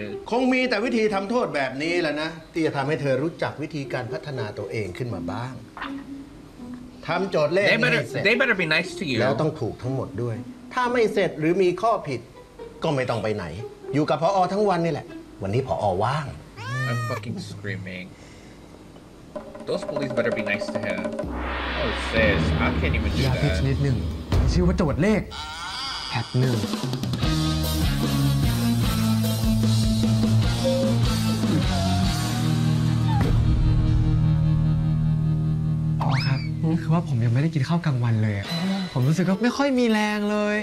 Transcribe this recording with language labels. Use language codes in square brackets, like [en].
[th] คงมีแต่วิธีทำโทษแบบนี้แล้วนะที่จะทำให้เธอรู้จักวิธีการพัฒนาตัวเองขึ้นมาบ้างทำโจทย์เล่น ให้เสร็จ [en] They better be nice to you [th] แล้วต้องถูกทั้งหมดด้วยถ้าไม่เสร็จหรือมีข้อผิดก็ไม่ต้องไปไหนอยู่กับผอ.ทั้งวันนี่แหละวันนี้ผอ.ว่าง [en] I'm fucking screaming Those bullies better be nice to him Oh sis, I can't even do that [th] อย่ าพิชนิดหนึ่งชื่อว่าโจทย์เลขแพทหนึ่งผอ. ครับคือว่าผมยังไม่ได้กินข้าวกลางวันเลยผมรู้สึกว่าไม่ค่อยมีแรงเลย